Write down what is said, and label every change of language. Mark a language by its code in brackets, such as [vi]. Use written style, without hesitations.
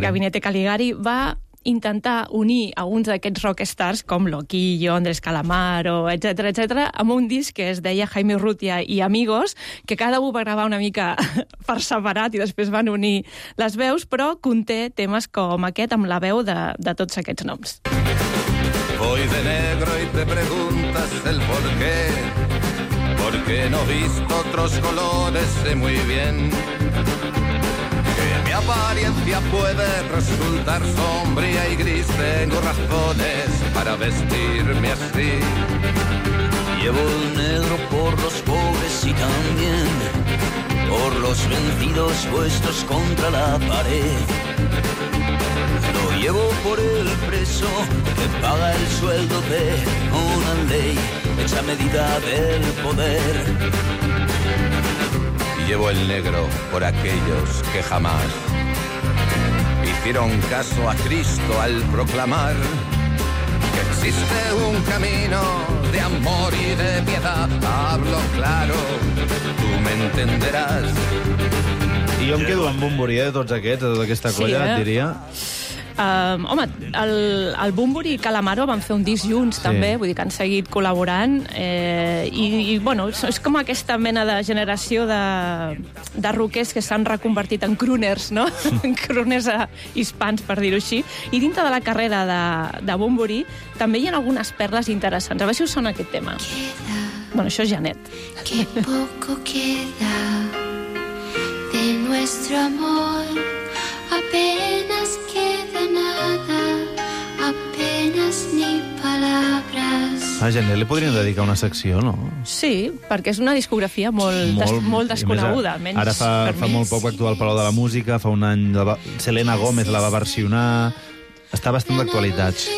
[ca] De Gabinete Caligari, va intentar unir alguns d'aquests rockstars com Loquillo, Andrés Calamaro, etc, etc, amb un disc que es deia Jaime Urrutia i Amigos, que cada un va gravar una mica per separat i després van unir les veus, però conté temes com aquest amb la veu de tots aquests noms. [es] Voy de negro y te preguntas el por qué, porque no he visto otros colores, sé muy bien que mi apariencia puede resultar sombría y gris. Tengo razones para vestirme así. Llevo el negro por los pobres y también por los vencidos puestos contra la pared. Llevo por el preso que paga el sueldo de una ley hecha medida del poder. Llevo el negro por aquellos que jamás y hicieron caso a Cristo al proclamar que existe un camino de amor y de piedad. Hablo claro, tú me entenderás. [ca] I jo em quedo amb un Bunbury, de tots aquests, de tota aquesta colla, sí, eh? Et diria. Home, el Bunbury i Calamaro van fer un disc junts, sí, també, vull dir que han seguit col·laborant, i bueno, és com aquesta mena de generació de rockers que s'han reconvertit en crooners, no? En crooners hispans, per dir-ho així. I dintre de la carrera de Bunbury també hi ha algunes perles interessants. A veure si us sona aquest tema. Queda, bueno, això és Janet. [es] Que poco queda de nuestro amor, apenas queda nada, apenas ni palabras. [ca] A Janet li podrien dedicar una secció, no? Sí, perquè és una discografia molt desconeguda. Més, ara fa molt poc actual Palau de la Música, fa un any Selena Gomez la va versionar, està bastant d'actualitat.